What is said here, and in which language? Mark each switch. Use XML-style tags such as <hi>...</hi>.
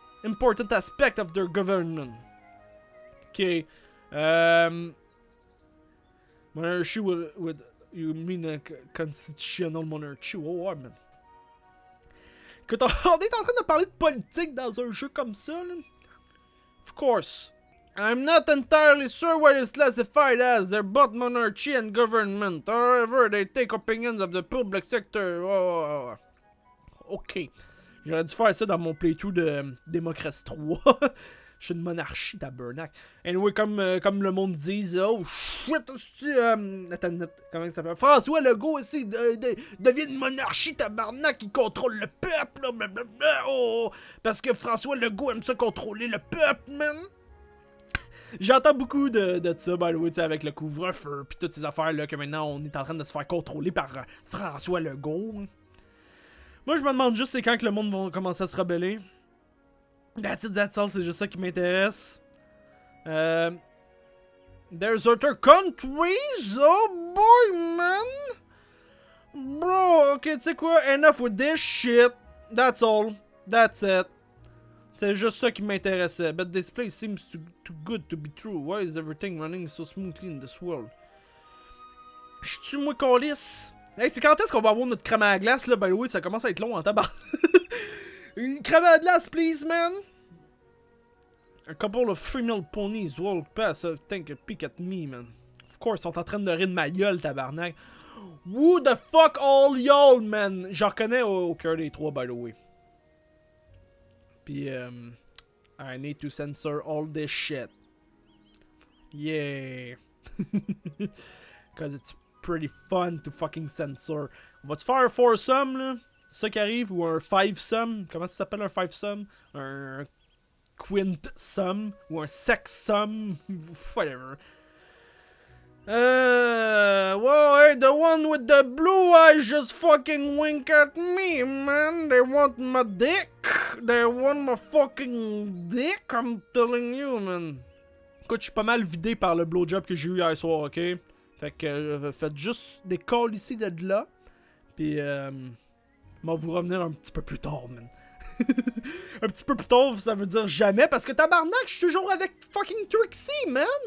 <en>Important aspect of their government. Okay. Monarchy with you mean a constitutional monarchy? Oh, man.</en> <fr>Écoute, on est en train de parler de politique dans un jeu comme ça, là.</fr> <en>Of course. I'm not entirely sure what is classified as. They're both monarchy and government. However, they take opinions of the public sector. Oh. Okay.</en> <fr>J'aurais dû faire ça dans mon playthrough de Démocratie 3. Je suis une monarchie, tabarnak. Anyway, comme le monde dit,</fr> <en>oh shit,</en> <fr>comment ça s'appelle? François Legault aussi devient une monarchie, tabarnak, qui contrôle le peuple. Blablabla. Oh, parce que François Legault aime ça contrôler le peuple, man. J'entends beaucoup de ça,</fr> <en>by the way,</en> <fr>t'sais, avec le couvre-feu pis toutes ces affaires-là que maintenant on est en train de se faire contrôler par François Legault. Moi, je me demande juste c'est quand que le monde va commencer à se rebeller.</fr> <en>That's it, that's all,</en> <fr>c'est juste ça qui m'intéresse.</fr> <en>There's other countries? Oh boy, man! Bro, ok,</en> <fr>tu sais quoi?</fr> <en>Enough with this shit. That's all. That's it.</en> <fr>C'est juste ça qui m'intéressait.</fr> <en>But this place seems too good to be true. Why is everything running so smoothly in this world?</en> <fr>J'suis-tu moi calisse? Hey, c'est quand est-ce qu'on va avoir notre crème à glace là?</fr> <en>By the way,</en> <fr>ça commence à être long en tabac. Une crème à glace,</fr> <en>please, man! A couple of female ponies walk past and take a peek at me, man. Of course,</en> <fr>ils sont en train de rire de ma gueule, tabarnak.</fr> <en>Who the fuck all y'all, man?</en> <fr>Je reconnais au cœur des trois,</fr> <en>by the way. Puis, I need to censor all this shit. Yeah. Cause it's pretty fun to fucking censor.</en> <fr>Va-tu faire un foursome, là? Ça qui arrive, ou un fivesome? Comment ça s'appelle un fivesome? Un quintsome? Ou un sexsome? Whatever.</fr> <en>Well, hey, the one with the blue eyes just fucking wink at me, man. They want my dick. They want my fucking dick, I'm telling you, man.</en> <fr>Écoute, je suis pas mal vidé par le blowjob que j'ai eu hier soir, ok? Fait que, faites juste des calls ici d'être là. Puis, m'en vous revenir un petit peu plus tard, man. Un petit peu plus tard, ça veut dire jamais, parce que tabarnak, je suis toujours avec fucking Trixie, man.</fr>